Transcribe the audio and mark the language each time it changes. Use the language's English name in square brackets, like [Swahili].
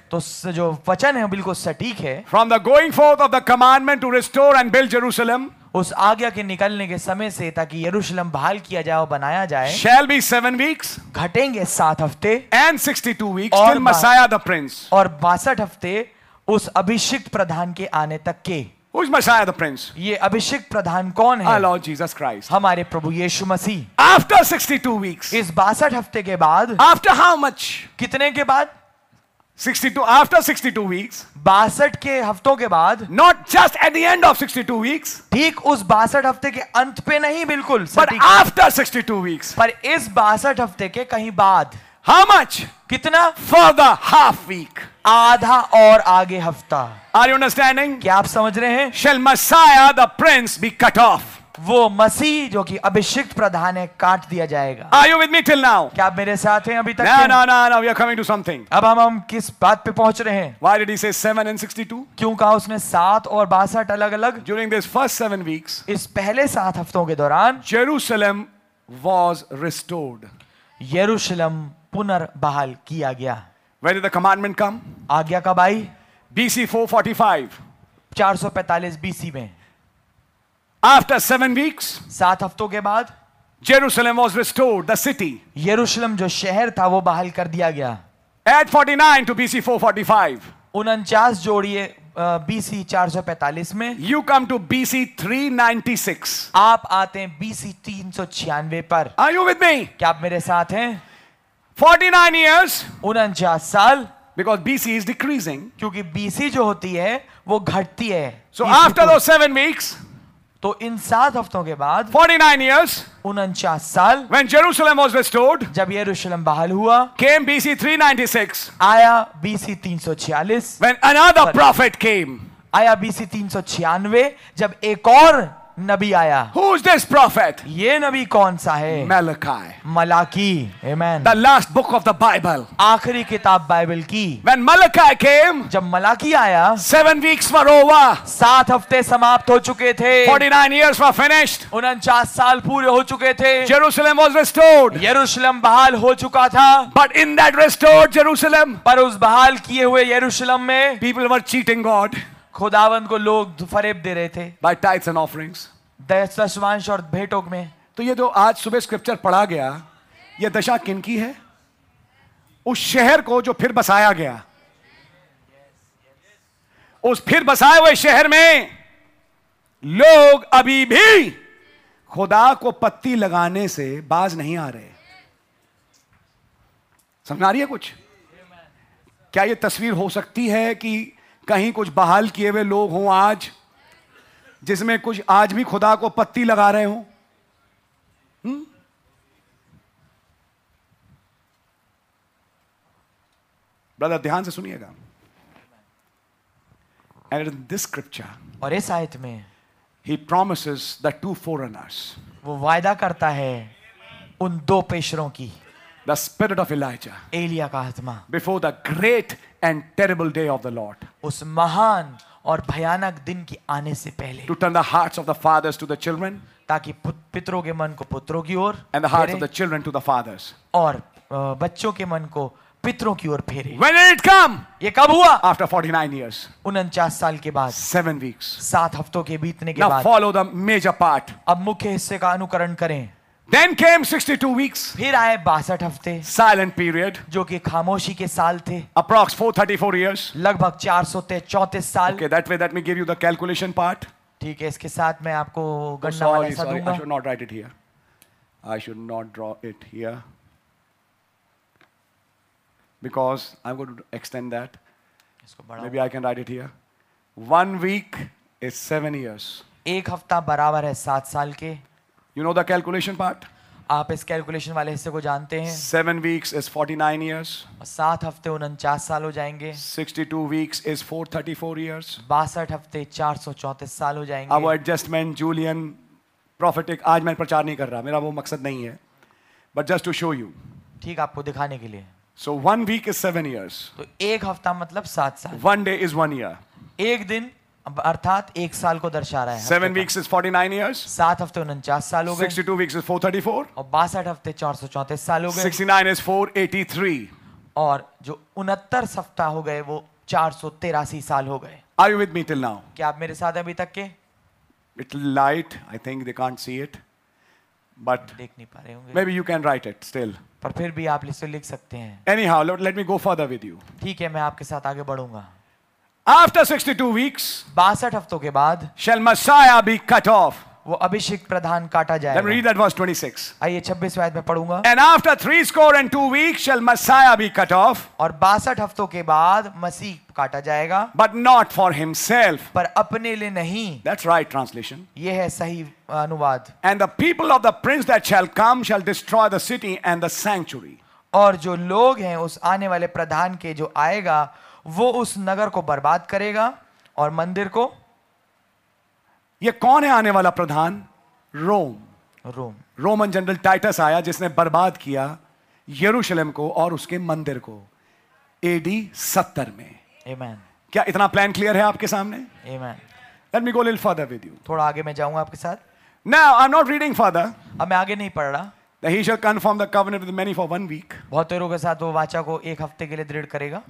[Hindi] तो जो वचन है बिल्कुल सटीक है. [English] From the going forth of the commandment to restore and build Jerusalem. [Hindi] उस आज्ञा के निकलने के समय से ताकि यरूशलम बहाल किया जाए और बनाया जाए. [English] Shall be 7 weeks. [Hindi] घटेंगे 7 हफ्ते. [English] And 62 weeks. Till Messiah the Prince. [Hindi] और 62 हफ्ते उस अभिषिक्त प्रधान के आने तक के. [English] Who's Messiah the Prince? [Hindi] ये अभिषिक प्रधान कौन है? [English] Our Lord Jesus Christ. [Hindi] हमारे प्रभु यीशु मसीह. [English] After 62 weeks. [Hindi] इस 62 हफ्ते के बाद. [English] After how much? [Hindi] कितने के बाद? [English] 62. After 62 weeks. [Hindi] 62 के हफ्तों के बाद. [English] Not just at the end of 62 weeks. [Hindi] ठीक उस 62 हफ्ते के अंत पे नहीं बिल्कुल. [English] But after 62 weeks. [Hindi] पर इस 62 हफ्ते के कहीं बाद. [English] How much? [Hindi] कितना? [English] For the half week. [Hindi] आधा और आगे हफ्ता. [English] Are you understanding? [Hindi] क्या आप समझ रहे हैं? [English] Shall Messiah the Prince be cut off? [Hindi] वो मसीह जो कि अभिषिक्त प्रधान है काट दिया जाएगा. [English] Are you with me till now? [Hindi] क्या आप मेरे साथ हैं अभी तक? [English] No. We are coming to something. [Hindi] अब हम किस बात पे पहुंच रहे हैं? [English] Why did he say 7 and 62? [Hindi] क्यों कहा उसने 7 और 62 अलग अलग? [English] During this first 7 weeks. [Hindi] इस पहले 7 हफ्तों के दौरान. [English] Jerusalem was restored. [Hindi] यरूशलम पुनर्बहाल किया गया. [English] When did the commandment come? [Hindi] आज्ञा कब आई? [English] BC 445 [Hindi] में. [English] After 7 weeks. [Hindi] 7 हफ्तों के बाद. [English] Jerusalem was restored, the city. [Hindi] यरूशलम जो शहर था वो बहाल कर दिया गया. [English] Add 49 to BC 445. [Hindi] 49 जोड़िए BC 445 में. [English] You come to BC 396. [Hindi] आप आते हैं BC 396 पर. [English] Are you with me? [Hindi] क्या आप मेरे साथ हैं? [English] 49 years. [Hindi] 49 साल. [English] Because BC is decreasing. [Hindi] क्योंकि BC जो होती है वो घटती है. [English] So after those 7 weeks. [Hindi] तो इन 7 हफ्तों के बाद. [English] 49 years. [Hindi] 49 साल. [English] When Jerusalem was restored. [Hindi] जब यरूशलम बहाल हुआ. [English] Came BC 396. [Hindi] आया BC 346. [English] When another prophet came. [Hindi] आया BC 396 जब एक और नबी आया. [English] Who's this prophet? [Hindi] ये नबी कौन सा है? [English] Malachi. [Hindi] Malachi. Amen. [English] The last book of the Bible. [Hindi] आखिरी किताब बाइबल की. [English] When Malachi came. [Hindi] जब मलाकी आया. [English] 7 weeks were over. [Hindi] 7 हफ्ते समाप्त हो चुके थे. [English] 49 years were finished. [Hindi] 49 साल पूरे हो चुके थे. [English] Jerusalem was restored. [Hindi] यरूशलम बहाल हो चुका था. [English] But in that restored Jerusalem. [Hindi] पर उस बहाल किए हुए यरूशलम में. [English] People were cheating God. [Hindi] खुदावंद को लोग फरेब दे रहे थे. [English] By tithes and offerings. [Hindi] दशमांश और भेंटों में. तो ये जो आज सुबह स्क्रिप्चर पढ़ा गया ये दशा किन की है? उस शहर को जो फिर बसाया गया. उस फिर बसाए हुए शहर में लोग अभी भी खुदा को पत्ती लगाने से बाज नहीं आ रहे. समझ आ रही है कुछ? क्या ये तस्वीर हो सकती है कि कहीं कुछ बहाल किए हुए लोग हों आज जिसमें कुछ आज भी खुदा को पत्ती लगा रहे हों? ब्रदर ध्यान से सुनिएगा. [English] And in this scripture. [Hindi] और इस आयत में. [English] He promises the two forerunners. [Hindi] वो वायदा करता है उन दो पेशरों की. [English] The spirit of Elijah. [Hindi] Elia का आत्मा. [English] Before the great and terrible day of the Lord. [Hindi] उस महान और भयानक दिन की आने से पहले. [English] To turn the hearts of the fathers to the children. [Hindi] ताकि पितरों के मन को पुत्रों की ओर. [English] And the hearts of the children to the fathers. [Hindi] और बच्चों के मन को पितरों की ओर फेरे. [English] When did it come? [Hindi] ये कब हुआ? [English] After 49 years. [Hindi] 49 साल के बाद. [English] 7 weeks. [Hindi] 7 हफ्तों के बीतने के [English] Now [Hindi] बाद. [English] Now follow the major part. [Hindi] अब मुख्य हिस्से का अनुकरण करें. [English] Then came 62 weeks. [Hindi] फिर आए 62 हफ्ते. [English] Silent period. [Hindi] जो कि खामोशी के साल थे. [English] Approx 434 years. [Hindi] लगभग 434 साल. [English] Okay, that way, let me give you the calculation part. [Hindi] ठीक है, इसके साथ मैं आपको गणना वाला सा दूंगा. [English] I should not write it here. I should not draw it here. Because I'm going to extend that. Maybe I can write it here. 1 week is 7 years. [Hindi] एक हफ्ता बराबर है 7 साल के. [English] You know the calculation part? [Hindi] आप इस calculation वाले हिस्से को जानते हैं. [English] 7 weeks is 49 years. [Hindi] 7 हफ्ते 49 साल हो जाएंगे. [English] 62 weeks is 434 years. [Hindi] 62 हफ्ते 434 साल हो जाएंगे. [English] Our adjustment, Julian, prophetic. [Hindi] आज मैं प्रचार नहीं कर रहा. मेरा वो मकसद नहीं है. [English] But just to show you. [Hindi] ठीक, आपको दिखाने के लिए. [English] So 1 week is 7 years. [Hindi] तो एक हफ्ता मतलब 7 साल. [English] 1 day is 1 year. [Hindi] एक दिन अर्थात एक साल को दर्शा रहा है. [English] 7 weeks is 49 years. [Hindi] 7 हफ्ते 49 साल हो गए. [English] 62 weeks is 434. [Hindi] और 62 हफ्ते 434 साल हो गए. [English] 69 is 483. [Hindi] और जो 69 सप्ताह हो गए वो 483 साल हो गए. [English] Are you with me till now? [Hindi] क्या आप मेरे साथ अभी तक के? [English] Little light, I think they can't see it, but [Hindi] देख नहीं पा रहे होंगे. [English] Maybe you can write it still. [Hindi] पर फिर भी आप इसे लिख सकते हैं. [English] Anyhow, let me go further with you. [Hindi] ठीक है, मैं आपके साथ आगे बढ़ूंगा. [English] After 62 weeks, [Hindi] 62 हफ्तों के बाद, [English] shall Messiah be cut off? [Hindi] वो अभिषेक प्रधान काटा जाएगा. [English] Let me read that verse 26. [Hindi] आइए 26 वायद में पढ़ूंगा. [English] And after 62 weeks, shall Messiah be cut off? [Hindi] और 62 हफ्तों के बाद मसीह काटा जाएगा. [English] But not for himself. [Hindi] पर अपने लिए नहीं. [English] That's right translation. [Hindi] ये है सही अनुवाद. [English] And the people of the prince that shall come shall destroy the city and the sanctuary. [Hindi] और जो लोग हैं उस आने वाले प्रधान के जो आएगा वो उस नगर को बर्बाद करेगा और मंदिर को. ये कौन है आने वाला प्रधान? रोम. रोम. रोमन जनरल टाइटस आया जिसने बर्बाद किया यरूशलेम को और उसके मंदिर को एडी 70 में. [English] Amen. [Hindi] क्या इतना प्लान क्लियर है आपके सामने? [English] Amen. Let me go a little further with you. [Hindi] थोड़ा आगे मैं जाऊंगा आपके साथ. [English] Now I'm not reading further. [Hindi] अब मैं आगे नहीं पढ़ रहा. [English] That he shall confirm the covenant with many for 1 week. [Hindi] बहुतेरों के साथ वो वाचा को एक हफ्ते के लिए दृढ़ करेगा.